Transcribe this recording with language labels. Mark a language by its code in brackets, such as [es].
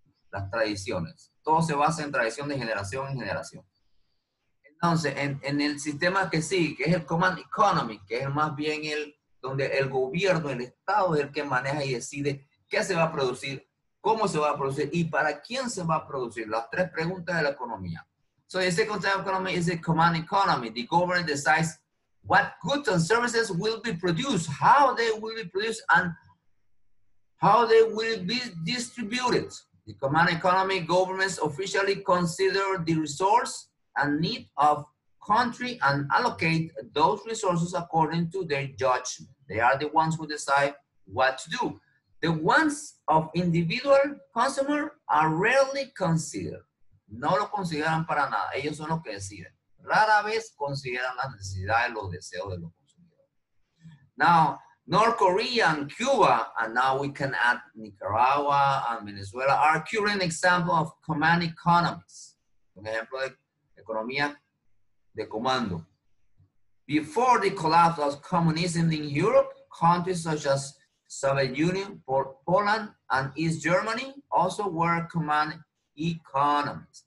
[es] Las tradiciones. Todo se basa en tradición de generación en generación. Entonces, en el sistema que sigue, que es el command economy, que es más bien el donde el gobierno, el Estado es el que maneja y decide qué se va a producir, cómo se va a producir y para quién se va a producir. Las tres preguntas de la economía. [en] So, the second type of economy is the command economy. The government decides what goods and services will be produced, how they will be produced, and how they will be distributed. The command economy, governments officially consider the resource and need of country and allocate those resources according to their judgment. They are the ones who decide what to do. The wants of individual consumer are rarely considered. [es] No lo consideran para nada. Ellos son los que deciden. Rara vez consideran las necesidades, los deseos de los consumidores. [en] Now, North Korea and Cuba, and now we can add Nicaragua and Venezuela, are current examples of command economies. [es] Un ejemplo de economía de comando. [en] Before the collapse of communism in Europe, countries such as Soviet Union, Poland, and East Germany also were command economies.